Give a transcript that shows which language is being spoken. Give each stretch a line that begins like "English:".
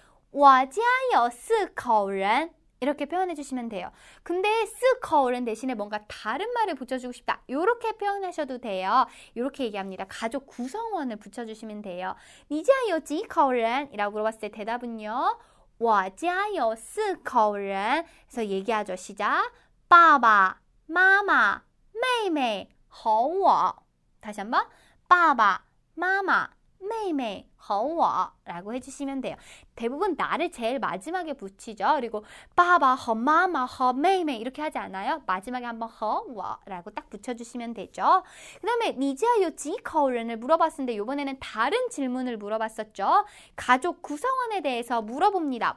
Chinese: 我家有四口人.我家有四口人.
Korean: 이렇게 표현해 주시면 돼요. 근데 四口人 대신에 뭔가 다른 말을 붙여주고 싶다. 이렇게 표현하셔도 돼요. 이렇게 얘기합니다. 가족 구성원을 붙여주시면 돼요.
Chinese: 你家有几口人?
Korean: 이라고 물어봤을 때 대답은요. 我家有四口人. 그래서 얘기하죠. 시작.
Chinese: 爸爸妈妈妹妹和我. 다시 한번.
Korean: 爸爸妈妈 妹妹和我 라고 해주시면 돼요. 대부분 나를 제일 마지막에 붙이죠. 그리고 爸爸和妈妈和妹妹 이렇게 하지 않아요? 마지막에 한번 和我 라고 딱 붙여주시면 되죠. 그 다음에 你家有几口人 을 물어봤는데 이번에는 다른 질문을 물어봤었죠. 가족 구성원에 대해서 물어봅니다.